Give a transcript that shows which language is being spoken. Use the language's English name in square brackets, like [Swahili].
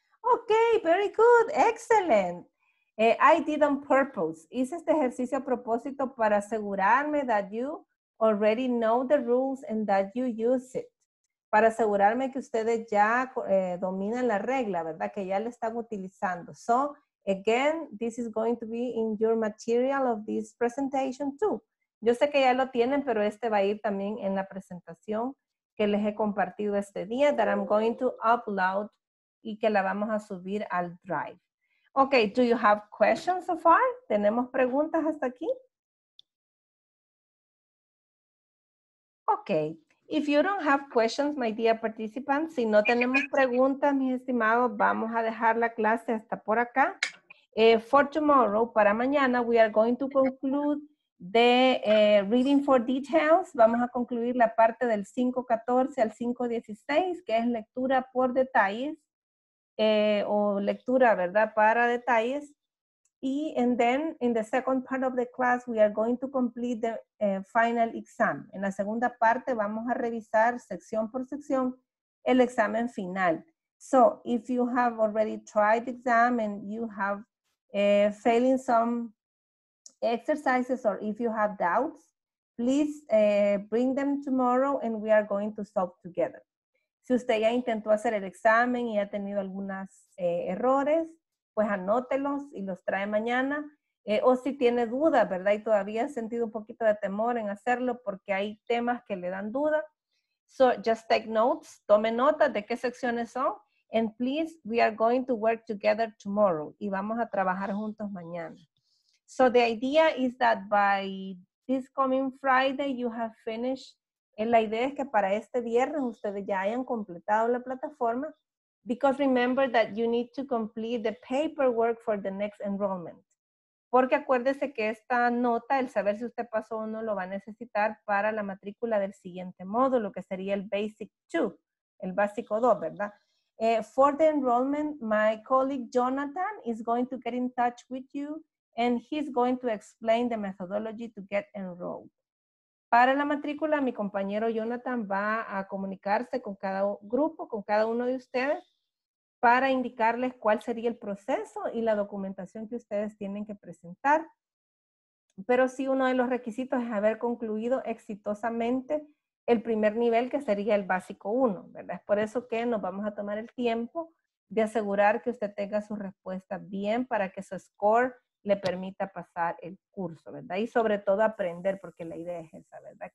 [English] Okay, very good, excellent. I did on purpose. [Spanish] Hice este ejercicio a propósito para asegurarme [English] that you already know the rules and that you use it. [Spanish] Para asegurarme que ustedes ya dominan la regla, ¿verdad? Que ya la están utilizando. [English] So, again, this is going to be in your material of this presentation too. [Spanish] Yo sé que ya lo tienen, pero este va a ir también en la presentación que les he compartido este día [English] that I'm going to upload [Spanish] y que la vamos a subir al Drive. [English] Okay, do you have questions so far? [Spanish] ¿Tenemos preguntas hasta aquí? Okay, if you don't have questions, my dear participants, si no tenemos preguntas, mis estimados, vamos a dejar la clase hasta por acá. [English] For tomorrow, [Spanish] para mañana, [English] we are going to conclude the reading for details. [Spanish] Vamos a concluir la parte del 5.14 al 5.16, que es lectura por detalles. O lectura, ¿verdad? Para detalles. [English] Y, and then, in the second part of the class, we are going to complete the final exam. [Spanish] En la segunda parte, vamos a revisar sección por sección el examen final. [English] So, if you have already tried the exam and you have failing some exercises or if you have doubts, please bring them tomorrow and we are going to solve together. [Spanish] Si usted ya intentó hacer el examen y ha tenido algunos errores, pues anótelos y los trae mañana. O si tiene dudas, ¿verdad? Y todavía ha sentido un poquito de temor en hacerlo porque hay temas que le dan duda. [English] So, just take notes. [Spanish] Tome nota de qué secciones son. [English] And please, we are going to work together tomorrow. [Spanish] Y vamos a trabajar juntos mañana. [English] So, the idea is that by this coming Friday, you have finished. [Spanish] La idea es que para este viernes ustedes ya hayan completado la plataforma. [English] Because remember that you need to complete the paperwork for the next enrollment. [Spanish] Porque acuérdese que esta nota, el saber si usted pasó o no, lo va a necesitar para la matrícula del siguiente módulo, que sería el Basic 2, el Básico 2, ¿verdad? [English] For the enrollment, my colleague Jonathan is going to get in touch with you and he's going to explain the methodology to get enrolled. [Spanish] Para la matrícula, mi compañero Jonathan va a comunicarse con cada grupo, con cada uno de ustedes, para indicarles cuál sería el proceso y la documentación que ustedes tienen que presentar. Pero sí, uno de los requisitos es haber concluido exitosamente el primer nivel, que sería el básico 1, ¿verdad? Es por eso que nos vamos a tomar el tiempo de asegurar que usted tenga su respuesta bien para que su score le permita pasar el curso, ¿verdad? Y sobre todo aprender, porque la idea es esa, ¿verdad?